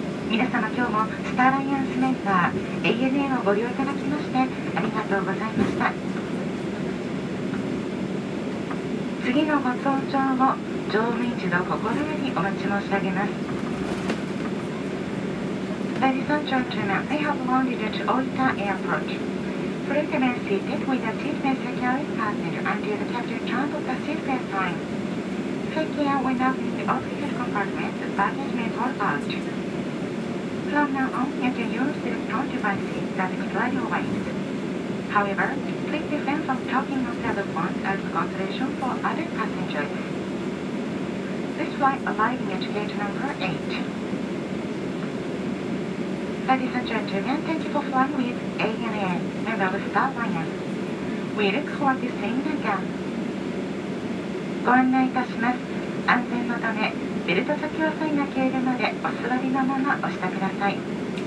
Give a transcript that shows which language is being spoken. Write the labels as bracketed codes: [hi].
[ja] 皆様、今日もスターライアンスメンバー ANA をご利用いただきましてありがとうございました。次のご搭乗を乗務員一同心よりお待ち申し上げます。 [en] Ladies and gentlemen, we have landed at Oita Airport. Please remain seated with a seatbelt securing fastened until the captain turns off the seatbelt sign. Take care when opening the overhead compartments, baggage may fall out. From now on, you can use the electronic devices that supply your weight. However, please refrain from talking on telephones as a consideration for other passengers. This flight arriving at gate number 8. Ladies and gentlemen, thank you for flying with ANA, member of Star Alliance. We look forward to seeing you again. [ja] ご案内いたします。安全のため、ベルト着用サインが消えるまでお座りのままお下ください。